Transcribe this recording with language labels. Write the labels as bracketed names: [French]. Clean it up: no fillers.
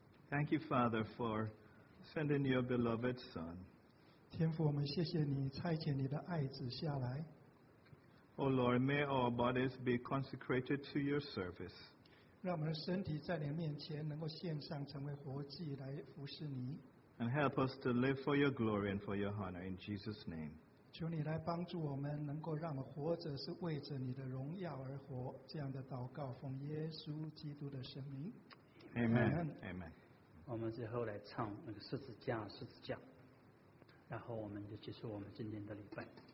[English] Thank you, Father, for sending your beloved Son. [Chinese] 天父，我们谢谢你差遣你的爱子下来。 [English] O Lord, may our bodies be consecrated to your service. [Chinese] 让我们的身体在你面前能够献上，成为活祭来服侍你。 [English] And help us to live for your glory and for your honor in Jesus' name. [Chinese] 求你来帮助我们，能够让我们活着是为着你的荣耀而活。这样的祷告，奉耶稣基督的圣名。 [English] Amen. Amen. [Chinese] 我们最后来唱那个十字架，十字架。然后我们就结束我们今天的礼拜。